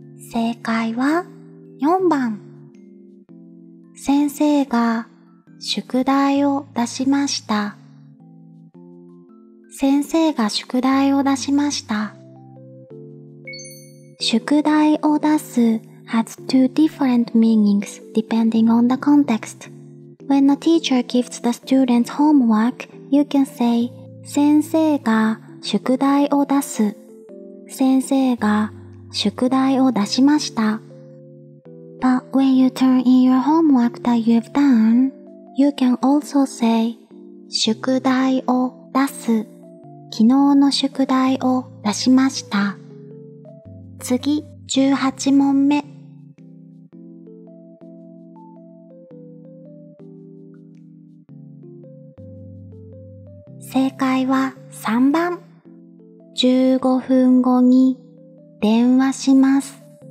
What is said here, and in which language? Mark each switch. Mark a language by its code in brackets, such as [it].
[ja] 正解は4番。先生が宿題を出しました。先生が宿題を出しました。宿題を出す [en] has two different meanings depending on the context. When a teacher gives the students homework, you can say, [ja] 先生が宿題を出す。先生が宿題を出しました。 [en] But when you turn in your homework that you've done, you can also say, [ja] 宿題を出す。昨日の宿題を出しました。次、18問目。正解は3番。15分後に電話します。